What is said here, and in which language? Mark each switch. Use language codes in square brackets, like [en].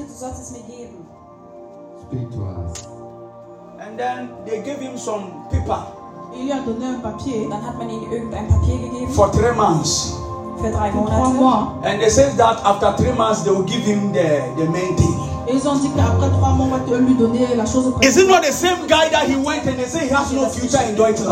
[en] Speak to us. And then they gave him some paper. [fr] Il a donné un papier. [de] Dann hat man ihm irgendein Papier gegeben. [en] For 3 months. [de] Monate. [en] And they said that after 3 months they will give him the main thing. [fr] Ils ont dit qu'après 3 mois, on va lui donner la chose. [en] Is it not the same guy that he went and they say he has no future in Deutschland?